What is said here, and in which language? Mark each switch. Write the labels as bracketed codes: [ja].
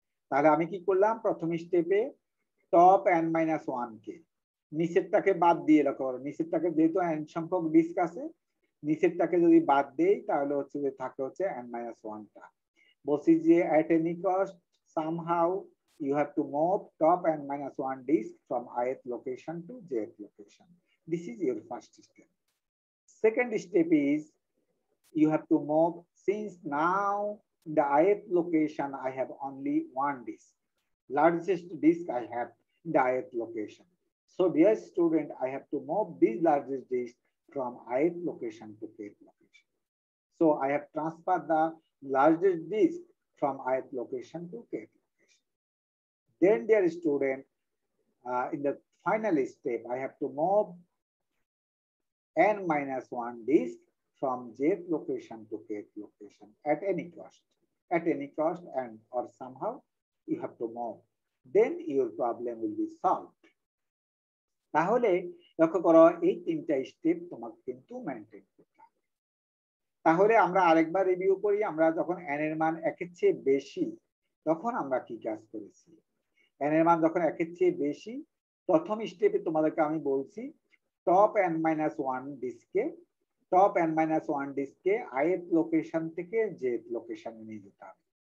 [bn] তাহলে আমি কি করলাম, প্রথম স্টেপে টপ এন মাইনাস ওয়ান কে নিচেরটাকে বাদ দিয়ে লক্ষ্য করো, নিচেরটাকে যেহেতু এন সংখ্যক ডিস্ক আছে, নিচেরটাকে যদি বাদ দেই তাহলে হচ্ছে যে থাকে হচ্ছে এন মাইনাস ওয়ান টা, বলছি যে [en] At any cost somehow you have to move top n minus one disk from ith location to jth location, this is your first step. Second step is you have to move, since now the ith location I have only one disk, largest disk I have the ith location, [bn] so dear student [en] I have to move these largest disk from ith location to kth location, so I have transferred the largest disk from ith location to kth location, then dear student in the final step I have to move n minus 1 disk from jth location to kth location at any cost, at any cost and or somehow you have to move, then your problem will be solved। [bn] তাহলে লক্ষ্য করো এই তিনটা step তোমাকে কিন্তু maintain করতে হবে। তাহলে আমরা আরেকবার রিভিউ করি, আমরা যখন এন এর মান একের চেয়ে বেশি তখন আমরা কি কাজ করেছি। এন এর মান যখন একের চেয়ে বেশি, প্রথম স্টেপে তোমাদেরকে আমি বলছি top N minus one ডিস্কে, top N minus one ডিস্কে আইএথ location থেকে জেথ লোকেশনে নিয়ে যেতে হবে।